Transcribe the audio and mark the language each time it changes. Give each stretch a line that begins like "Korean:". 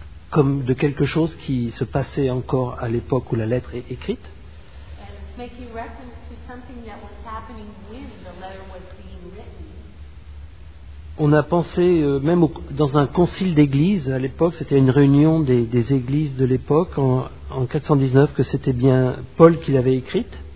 French: Comme de quelque chose qui se passait encore à l'époque où la lettre est écrite.
English: And making reference to something that was happening when the letter was being written.
French: On a pensé, même dans un concile d'église à l'époque, c'était une réunion des églises de l'époque, en 419, que c'était bien Paul qui l'avait écrite.